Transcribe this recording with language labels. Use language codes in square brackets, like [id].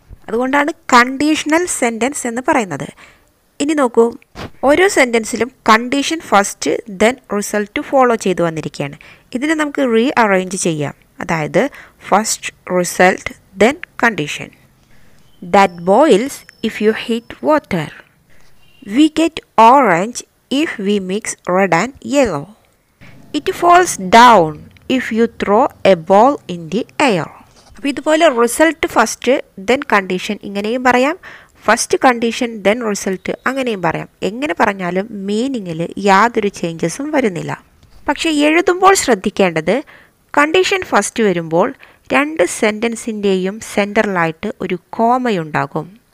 [ml] അതുകൊണ്ടാണ് conditional sentence എന്ന് പറയുന്നത്. ഇനി നോക്കൂ, ഓരോ സെൻറ്റൻസിലും condition first then result follow ചെയ്തു വന്നിരിക്കുകയാണ്. ഇതിനെ നമുക്ക് റീ അറേഞ്ച് ചെയ്യാം. അതായത് first result then condition. [en] That boils if you heat water. We get orange if we mix red and yellow. It falls down if you throw a ball in the air. [ml] അപ്പോൾ ഇതുപോലെ result first then condition ഇങ്ങനെയും പറയാം, first condition then result അങ്ങനെയും പറയാം. എങ്ങനെ പറഞ്ഞാലും മീനിങ്ങിൽ യാതൊരു ചേഞ്ചസും വരുന്നില്ല. പക്ഷേ എഴുതുമ്പോൾ ശ്രദ്ധിക്കേണ്ടത്, കണ്ടീഷൻ ഫസ്റ്റ് വരുമ്പോൾ രണ്ട് സെൻറ്റൻസിൻ്റെയും സെൻറ്ററിലായിട്ട് ഒരു കോമയുണ്ടാകും.